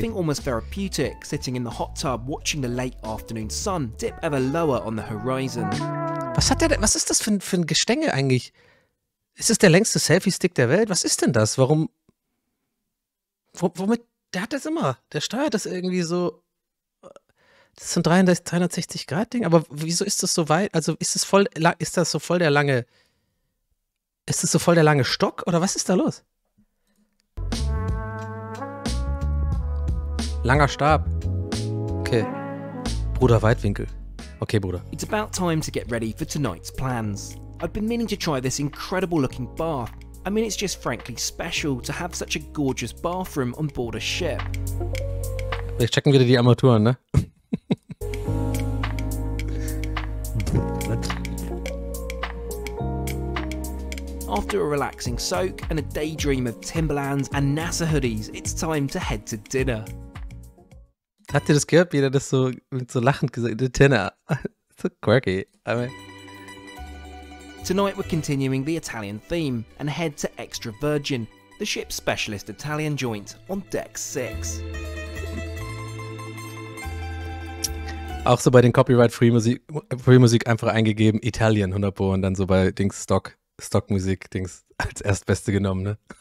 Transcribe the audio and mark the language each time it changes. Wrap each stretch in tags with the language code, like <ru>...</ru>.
<en>Something almost therapeutic, sitting in the hot tub, watching the late afternoon sun dip ever lower on the horizon.</en> <de>Was ist das für ein Gestänge eigentlich? Ist das der längste Selfie-Stick der Welt? Was ist denn das? Warum? Womit? Der hat das immer. Der steuert das irgendwie so. Das ist ein 360-Grad-Ding. Aber wieso ist das so weit? Also ist das so voll der lange Stock? Oder was ist da los? Langer Stab. Okay. Bruder Weitwinkel. Okay, Bruder.</de> <en>It's about time to get ready for tonight's plans. I've been meaning to try this incredible looking bath. I mean, it's just frankly special to have such a gorgeous bathroom on board a ship.</en> <de>Wir checken wieder die Armaturen, ne?</de> <en>After a relaxing soak and a daydream of Timberlands and NASA hoodies, it's time to head to dinner.</en> <de>Habt ihr das gehört, wie er das so mit so lachend gesagt hat?</de> <en>Dinner. So quirky. I mean. Tonight we're continuing the Italian theme and head to Extra Virgin, the ship's specialist Italian joint on Deck 6.</en> <de>Auch so bei den Copyright-Free-Musik einfach eingegeben, Italian 100 Pro und dann so bei Dings Stockmusik Dings als Erstbeste genommen, ne?</de>